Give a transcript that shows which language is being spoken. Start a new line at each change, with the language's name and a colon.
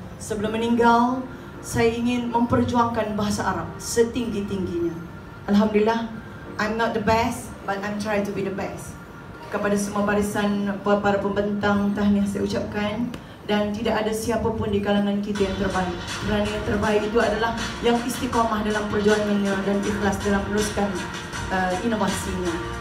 Malay: Sebelum meninggal, saya ingin memperjuangkan bahasa Arab setinggi-tingginya.
English: Alhamdulillah, I'm not the best but I'm trying to be the best.
Malay: Kepada semua barisan para pembentang, tahniah saya ucapkan. Dan tidak ada siapa pun di kalangan kita yang terbaik. Kerana yang terbaik itu adalah yang istiqamah dalam perjuangannya dan ikhlas dalam meneruskan inovasinya.